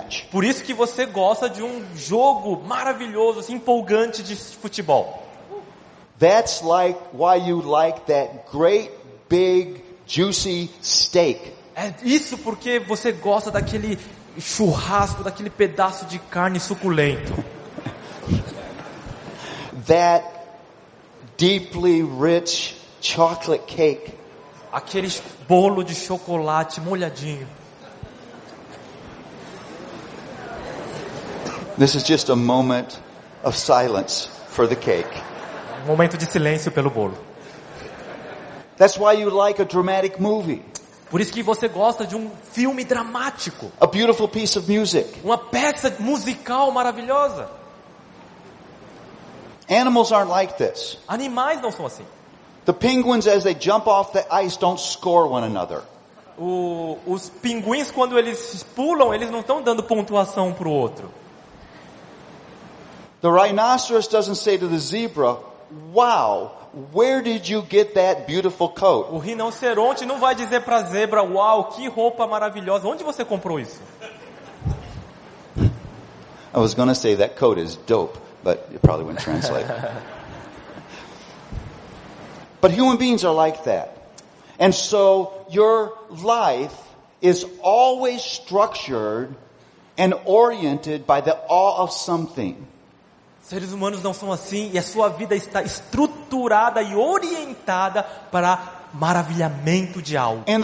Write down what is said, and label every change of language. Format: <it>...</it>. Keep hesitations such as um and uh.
<pt>Por isso que você gosta de um jogo maravilhoso, assim, empolgante de futebol.</pt> <en>That's like why you like that great big juicy steak.</en> <pt>É isso porque você gosta daquele churrasco, daquele pedaço de carne suculento.</pt> <en>that deeply rich chocolate cake.</en> <pt>Aquele bolo de chocolate molhadinho.</pt> <en>This is just a moment of silence for the cake.</en> <pt>Um momento de silêncio pelo bolo.</pt> <en>That's why you like a dramatic movie.</en> <pt>Por isso que você gosta de um filme dramático.</pt> <en>A beautiful piece of music.</en> <pt>Uma peça musical maravilhosa.</pt> <en>Animals aren't like this.</en> <pt>Animais não são assim.</pt> <en>The penguins as they jump off the ice don't score one another.</en> <pt>O... os pinguins quando eles pulam, eles não estão dando pontuação um para outro.</pt> <en>The rhinoceros doesn't say to the zebra, "Wow, where did you get that beautiful coat?"</en> <pt>O rinoceronte não vai dizer para a zebra, "Uau, wow, que roupa maravilhosa! Onde você comprou isso?"</pt> <en>I was going to say that coat is dope, but it probably wouldn't translate. but human beings are like that. And so your life is always structured and oriented by the awe of something.</en> <pt>seres humanos não são assim e a sua vida está estruturada e orientada para maravilhamento de algo.</pt>